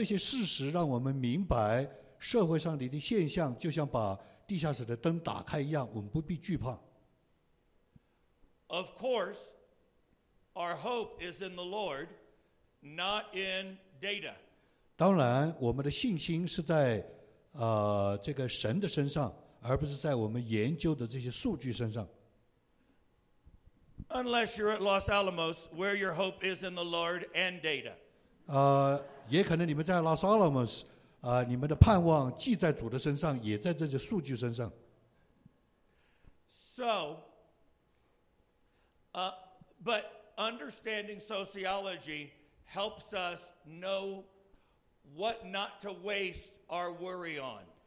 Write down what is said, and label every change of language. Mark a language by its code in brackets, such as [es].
[zh] 所以这个就是社会学给我们基督徒的一个帮助，让我们不要那么恐惧，因为我们调查的都是事实，这些事实让我们明白。社会上的现象就像把地下室的灯打开一样，我们不必惧怕。Of [en] course, our hope is in the Lord, not in data. [zh] 当然，我们的信心是在这个神的身上，而不是在我们研究的这些数据身上。Unless [en] you're at Los Alamos, where your hope is in the Lord and data. [zh] 也可能你们在Los Alamos。你们的盼望既在主的身上，也在这些数据身上。So, [en] but understanding sociology helps us know what not to waste our worry on.